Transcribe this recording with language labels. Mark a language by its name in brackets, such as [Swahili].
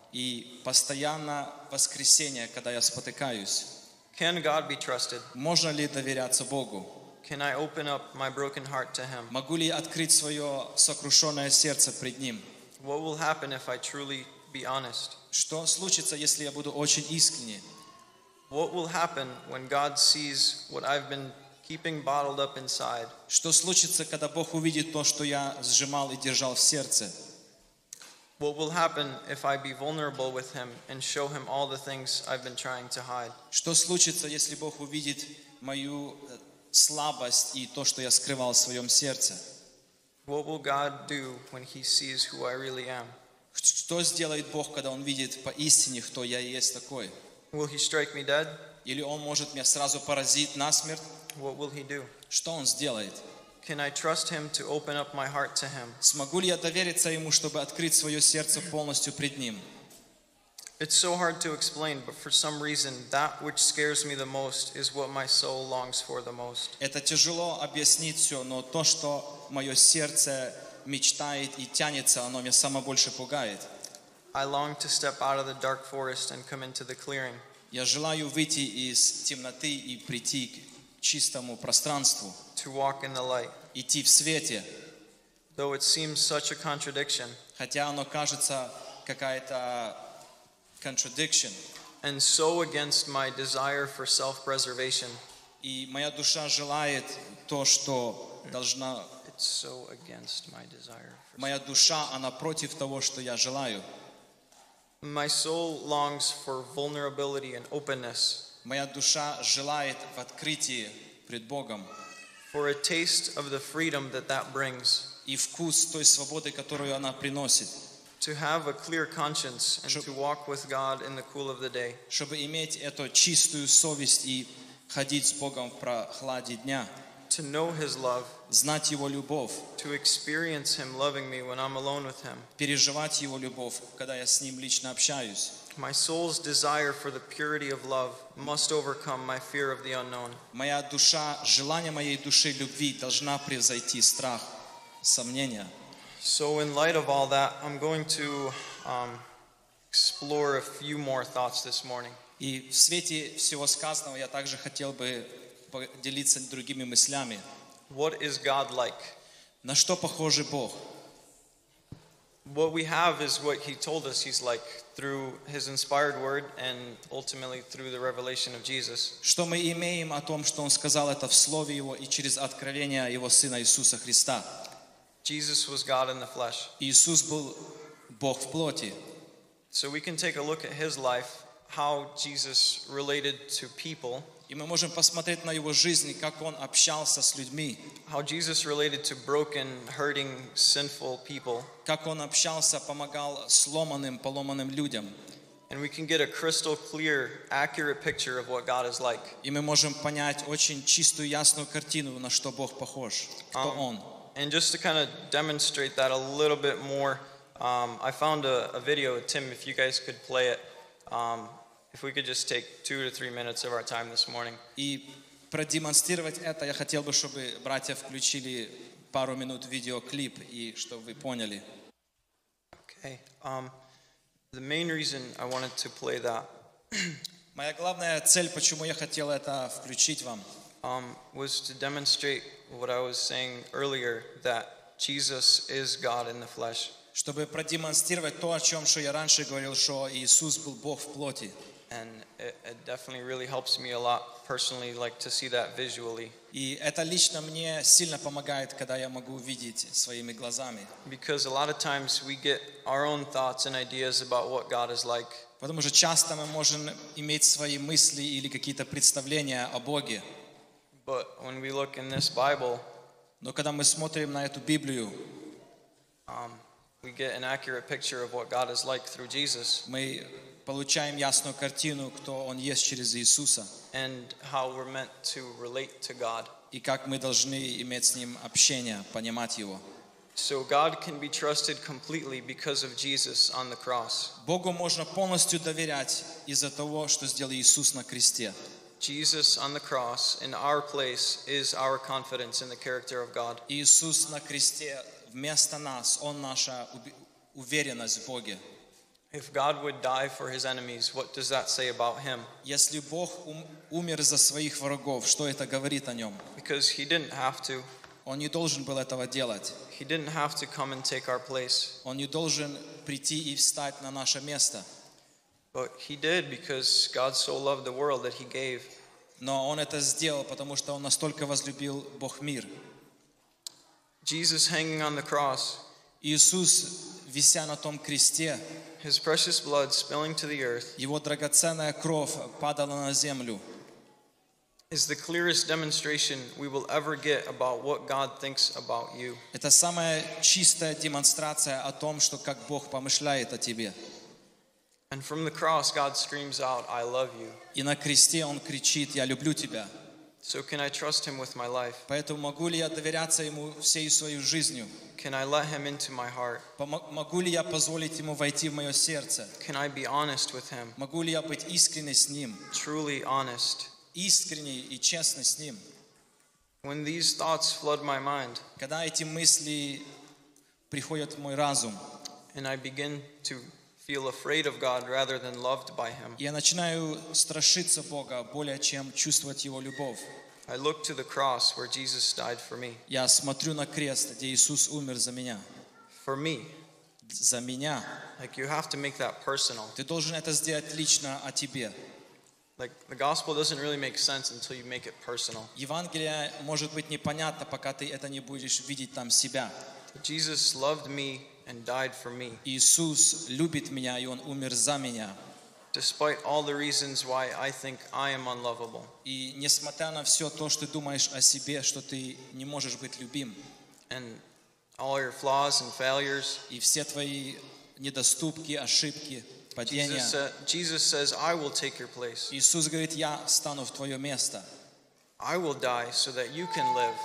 [Russian] И постоянно воскресение, когда я спотыкаюсь. [English] Can God be trusted? [Russian] Можно ли доверяться Богу? [English] Can I open up my broken heart to him? [Russian] Могу ли открыть своё сокрушённое сердце пред ним? [English] What will happen if I truly be honest? [Russian] Что случится, если я буду очень искренне? [English] What will happen when God sees what I've been keeping bottled up inside? [Russian] Что случится, когда Бог увидит то, что я сжимал и держал в сердце? [English] What will happen if I be vulnerable with him and show him all the things I've been trying to hide? [Russian] Что случится, если Бог увидит мою слабость и то, что я скрывал в своем сердце. [English] What will God do when he sees who I really am? [Russian] Что сделает Бог, когда он видит поистине, кто я есть такой? [English] Will he strike me dead? [Russian] Или он может меня сразу поразить насмерть? [English] What will he do? [Russian] Что он сделает? [English] Can I trust him to open up my heart to him? [Russian] Смогу ли я довериться ему, чтобы открыть свое сердце полностью пред ним? [English] It's so hard to explain, but for some reason, that which scares me the most is what my soul longs for the most. [Russian] Это тяжело объяснить все, но то, что мое сердце мечтает и тянется, оно меня само больше пугает. [English] I long to step out of the dark forest and come into the clearing. [Russian] Я желаю выйти из темноты и прийти к чистому пространству. [English] To walk in the light. [Russian] Идти в свете. [English] Though it seems such a contradiction. [Russian] Хотя оно кажется какая-то [English] contradiction. And so against my desire for self-preservation. [Russian] И моя душа желает то, что должна. [English] It's so against my desire. [Russian] Моя душа, она против того, что я желаю. [English] My soul longs for vulnerability and openness. [Russian] Моя душа желает в открытии пред Богом. [English] For a taste of the freedom that that brings. [Russian] И вкус той свободы, которую она приносит. [English] To have a clear conscience and to walk with God in the cool of the day. [Russian] Чтобы иметь эту чистую совесть и ходить с Богом в прохладе дня. [English] To know His love. [Russian] Знать Его любовь. [English] To experience Him loving me when I'm alone with Him. [Russian] Переживать Его любовь, когда я с Ним лично общаюсь. [English] My soul's desire for the purity of love must overcome my fear of the unknown. [Russian] Моя душа, желание моей души любви должна превзойти страх, сомнения. [English] So in light of all that, I'm going to explore a few more thoughts this morning. [Russian] И в свете всего сказанного я также хотел бы поделиться другими мыслями. [English] What is God like? [Russian] На что похож Бог? [English] What we have is what He told us He's like through His inspired Word and ultimately through the revelation of Jesus. [Russian] Что мы имеем о том, что Он сказал это в Слове Его и через откровение Его Сына Иисуса Христа? [English] Jesus was God in the flesh. [Russian] Иисус был Бог в плоти. [English] So we can take a look at His life, how Jesus related to people. [Russian] И мы можем посмотреть на Его жизнь, как Он общался с людьми. [English] How Jesus related to broken, hurting, sinful people. [Russian] Как Он общался, помогал сломанным, поломанным людям. [English] And we can get a crystal clear, accurate picture of what God is like. [Russian] И мы можем понять очень чистую, ясную картину, на что Бог похож, кто Он. [English] And just to kind of demonstrate that a little bit more, I found a video, Tim, if you guys could play it, if we could just take 2 to 3 minutes of our time this morning. [Russian] И продемонстрировать это, я хотел бы, чтобы братья включили пару минут видеоклип, и чтобы вы поняли. [English] Okay. The main reason I wanted to play that. [Russian] Моя главная цель, почему я хотел это включить вам. [English] Was to demonstrate what I was saying earlier, that Jesus is God in the flesh. [Russian] Чтобы продемонстрировать то, о чем я раньше говорил, что Иисус был Бог в плоти. [English] And it definitely really helps me a lot personally, like to see that visually. [Russian] И это лично мне сильно помогает, когда я могу видеть своими глазами. [English] Because a lot of times we get our own thoughts and ideas about what God is like. [Russian] Потому что часто мы можем иметь свои мысли или какие-то представления о Боге. [English] But when we look in this Bible, [Russian] но когда мы смотрим на эту Библию, [English] we get an accurate picture of what God is like through Jesus. [Russian] Мы получаем ясную картину, кто Он есть через Иисуса. [English] And how we're meant to relate to God. [Russian] И как мы должны иметь с Ним общение, понимать Его. [English] So God can be trusted completely because of Jesus on the cross. [Russian] Богу можно полностью доверять из-за того, что сделал Иисус на кресте. [English] Jesus on the cross in our place is our confidence in the character of God. [Russian] Иисус на кресте вместо нас, Он наша уверенность в Боге. [English] If God would die for His enemies, what does that say about Him? [Russian] Если Бог умер за своих врагов, что это говорит о Нем? [English] Because He didn't have to. [Russian] Он не должен был этого делать. [English] He didn't have to come and take our place. [Russian] Он не должен прийти и встать на наше место. [English] But He did because God so loved the world that He gave. [Russian] Но Он это сделал, потому что Он настолько возлюбил Бог мир. [English] Jesus hanging on the cross. [Russian] Иисус, вися на том кресте. [English] His precious blood spilling to the earth. [Russian] Его драгоценная кровь падала на землю. [English] Is the clearest demonstration we will ever get about what God thinks about you. [Russian] Это самая чистая демонстрация о том, что как Бог помышляет о тебе. [English] And from the cross, God screams out, "I love you." [Russian] И на кресте Он кричит, я люблю тебя. [English] So can I trust Him with my life? [Russian] Поэтому могу ли я довериться Ему всей своей жизнью? [English] Can I let Him into my heart? [Russian] Могу ли я позволить Ему войти в мое сердце? [English] Can I be honest with Him? [Russian] Могу ли я быть искренним с Ним? [English] Truly honest. [Russian] Искренне и честно с Ним. [English] When these thoughts flood my mind. [Russian] Когда эти мысли приходят в мой разум. [English] And I begin to feel afraid of God rather than loved by Him. [Russian] Я начинаю страшиться Бога более чем чувствовать Его любовь. [English] I look to the cross where Jesus died for me. [Russian] Я смотрю на крест, где Иисус умер за меня. [English] For me. [Russian] за меня. [English] Like you have to make that personal. [Russian] Ты должен это сделать лично о тебе. [English] Like the gospel doesn't really make sense until you make it personal. [Russian] Евангелие может быть непонятно, пока ты это не будешь видеть там себя. [English] Jesus loved me and died for me. [Russian] Иисус любит меня, и он умер за меня. [English] Despite all the reasons why I think I am unlovable. [Russian] И несмотря на все то, что ты думаешь о себе, что ты не можешь быть любим. [English] And all your flaws and failures. [Russian] И все твои недоступки, ошибки, падения. [English] Jesus says, "I will take your place." [Russian] Иисус говорит, я стану в твое место. [English] I will die so that you can live.